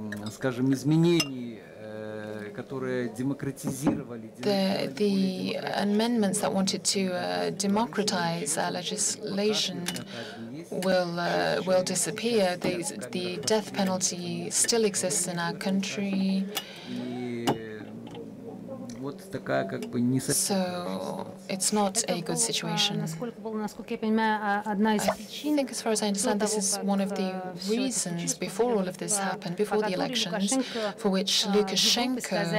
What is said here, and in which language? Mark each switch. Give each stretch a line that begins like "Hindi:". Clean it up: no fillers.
Russian: скажем, изменений, которые демократизировали
English: the amendments that wanted to democratize our legislation will disappear. The death penalty still exists in our country.
Russian: Вот такая как бы не совсем.
English: So it's not a good situation.
Russian: Насколько я понимаю, одна из причин.
English: I think, as far as I understand, this is one of the reasons before all of this happened, before the elections, for which Lukashenko.